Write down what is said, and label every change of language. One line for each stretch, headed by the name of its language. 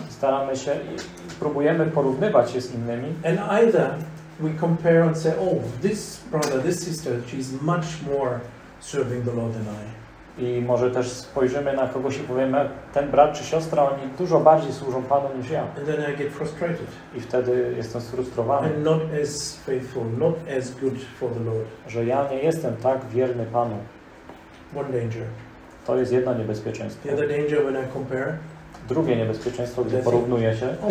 Polish: Staramy się, próbujemy porównywać się z innymi.
English: And either we compare and say, oh, this brother, this sister, she's much more serving the Lord than I.
Polish: I może też spojrzymy na kogoś i powiemy, ten brat czy siostra, oni dużo bardziej służą Panu niż ja.
English: And then I get frustrated.
Polish: I wtedy jestem sfrustrowany.
English: And not as faithful, not as good for the Lord.
Polish: Że ja nie jestem tak wierny Panu.
English: One danger.
Polish: To jest jedno niebezpieczeństwo.
English: The other danger when I compare.
Polish: Drugie niebezpieczeństwo, gdy porównuję się.